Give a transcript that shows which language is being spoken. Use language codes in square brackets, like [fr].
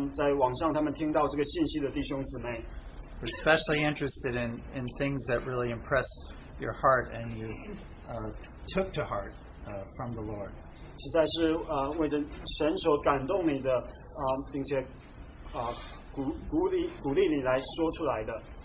[zh] 特别是为了那些去参加聚会，或者是在网上他们听到这个信息的弟兄姊妹。 [en] We're especially interested in things that really impressed your heart and you took to heart from the Lord. [zh] 实在是为着神所感动你的，并且鼓励你来说出来的。